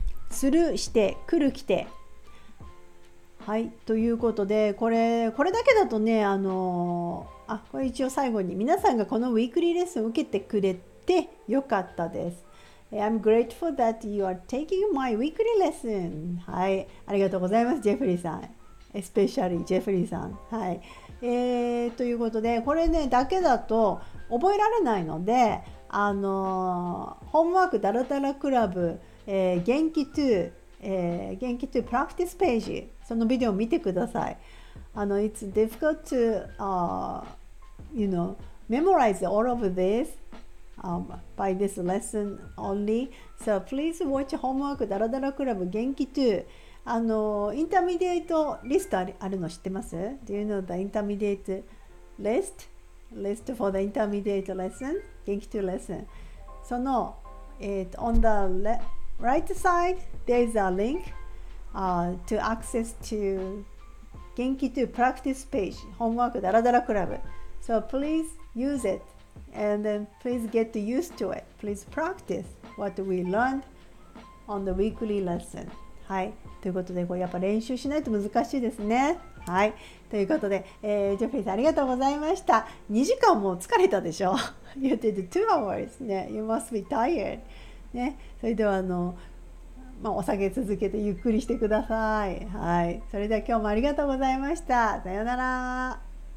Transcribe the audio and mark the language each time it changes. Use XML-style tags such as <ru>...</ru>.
<ja>するして来る来て、はい、ということで、これだけだとね、あ、これ一応最後に、皆さんがこのウィークリーレッスンを受けてくれてよかったです。</ja> <en>I'm grateful that you are taking my weekly lesson.</en> <ja>はい、ありがとうございます、ジェフリーさん、エスペシャリージェフリーさん。はい、ということで、これねだけだと覚えられないので、ホームワークダラダラクラブ、元気2プラクティスページ、そのビデオを見てください。</ja> <en>It's difficult to, you know, memorize all of this, by this lesson only. So please watch homework ダラダラクラブ元気2。</en> <ja>インターミディエイトリストあるの知ってます？</ja> <en>Do you know the intermediate list? List for the intermediate lesson? 元気2 lesson. その、on the left,Right side, there's a link to access to Genki 2 practice page, homework Daradara Club. So please use it and then please get used to it. Please practice what we learned on the weekly lesson.</en> <ja>はい。ということで、これやっぱ練習しないと難しいですね。はい。ということで、ジェフリーさんありがとうございました。 2時間も疲れたでしょ?</ja> <en>You did 2 hours. Yeah, you must be tired.</en> <ja>ね、それではまあ、お酒続けてゆっくりしてください。はい、それでは今日もありがとうございました。さようなら。</ja>